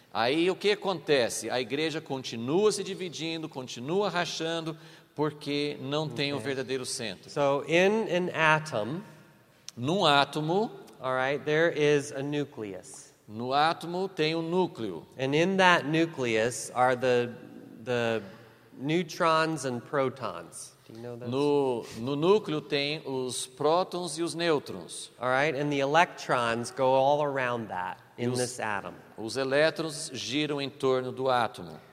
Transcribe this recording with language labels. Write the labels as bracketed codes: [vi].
[pt] Aí o que acontece? A igreja continua se dividindo, continua rachando, porque não tem o verdadeiro centro. [en] So in an atom, [pt] num átomo, [en] all right, there is a nucleus. [pt] No átomo tem um núcleo. [en] And in that nucleus are the neutrons and protons. Do you know that? [pt] No núcleo tem os prótons e os nêutrons. [en] All right, and the electrons go all around that in this atom. [pt] Os elétrons giram em torno do átomo.